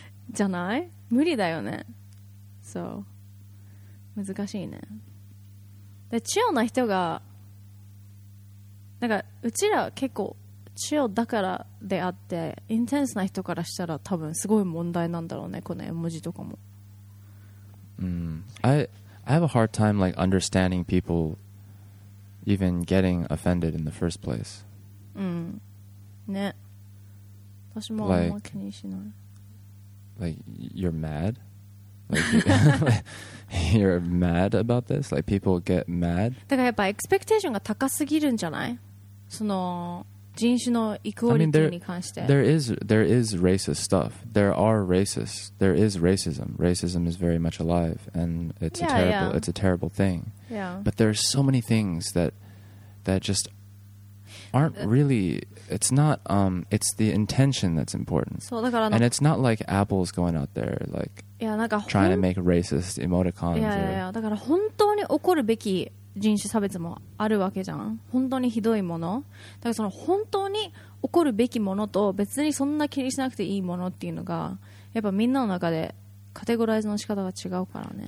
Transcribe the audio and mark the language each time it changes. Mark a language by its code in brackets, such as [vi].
[ja] じゃない?無理だよね。So, 難しいね。で、チルな人が、なんか、うちら結構、チルだからであって、インテンスな人からしたら多分、すごい問題なんだろうね、この絵文字とかも。 [en] I have a hard time, like, understanding people even getting offended in the first place. [ja] うん。ね、私もあんま気にしない。 [en] Like you're mad? Like, you're mad about this? Like people get mad? [ja] だからやっぱエクスペクテーションが高すぎるんじゃない?その人種のイクオリティに関して。 [en] There is racist stuff. There are racists. There is racism. Racism is very much alive and it's yeah, a terrible yeah. it's a terrible thing. Yeah. But there are so many things that just aren't really, it's not, it's the intention that's important. [ja] そうだから [en] And it's not like Apple's going out there, like, [ja] いやなんか [en] trying to make racist emoticons. [ja] いやいやいや、だから本当に起こるべき人種差別もあるわけじゃん。本当にひどいもの。だからその本当に起こるべきものと別にそんな気にしなくていいものっていうのが、やっぱみんなの中でカテゴライズの仕方が違うからね。